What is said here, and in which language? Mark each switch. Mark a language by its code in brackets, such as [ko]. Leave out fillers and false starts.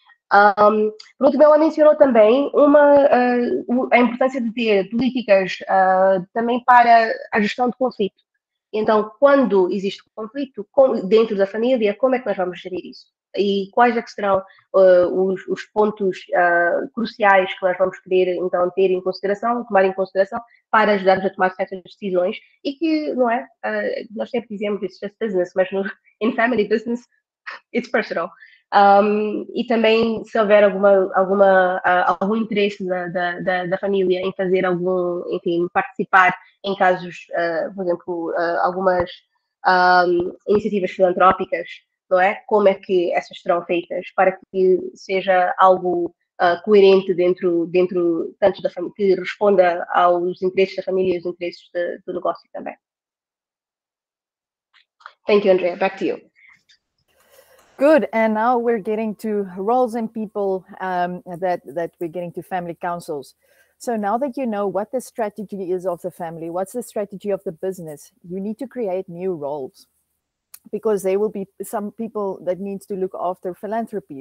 [pt] Por último, ela mencionou também a importância de ter políticas também para a gestão de conflito. Então, quando existe conflito dentro da família, como é que nós vamos gerir isso? E quais é que serão os pontos cruciais que nós vamos querer, então, ter em consideração, tomar em consideração, para ajudar-nos a tomar certas decisões? E que, não é? Nós sempre dizemos, [en] it's just business, [pt] mas [en] in family business, it's personal. [pt] E também, se houver algum interesse da família em fazer algum, enfim, participar em casos, por exemplo, algumas iniciativas filantrópicas, não é? Como é que essas serão feitas para que seja algo coerente dentro tanto da família, que responda aos interesses da família e aos interesses do negócio também. [en] Thank you, Andrea. Back to you. Good, and now we're getting to roles and people that we're getting to family councils. So now that you know what the strategy is of the family, what's the strategy of the business, you need to create new roles, because there will be some people that needs to look after philanthropy.